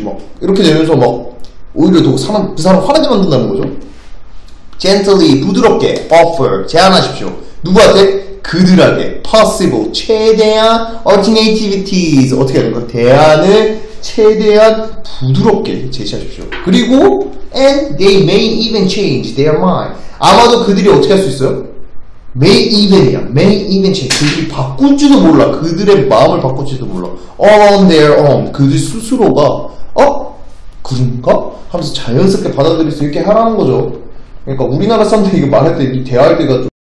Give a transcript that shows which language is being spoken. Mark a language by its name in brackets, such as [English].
[Korean] 막, 이렇게 되면서 막, 오히려 더 사람, 그 사람 화나게 만든다는 거죠. gently, 부드럽게, offer, 제안하십시오. 누구한테? 그들에게 possible 최대한 alternatives 어떻게 하는 거야? 대안을 최대한 부드럽게 제시하십시오. 그리고 [English] and they may even change their mind. [Korean] 아마도 그들이 어떻게 할 수 있어요? may even이야. [English] may even change. [Korean] 그들이 바꿀지도 몰라. 그들의 마음을 바꿀지도 몰라. [English] on their own. [Korean] 그들 스스로가 어? 그런가? 하면서 자연스럽게 받아들일 수 있게 하라는 거죠. 그러니까 우리나라 사람들이 이거 말할 때 대화할 때가 좀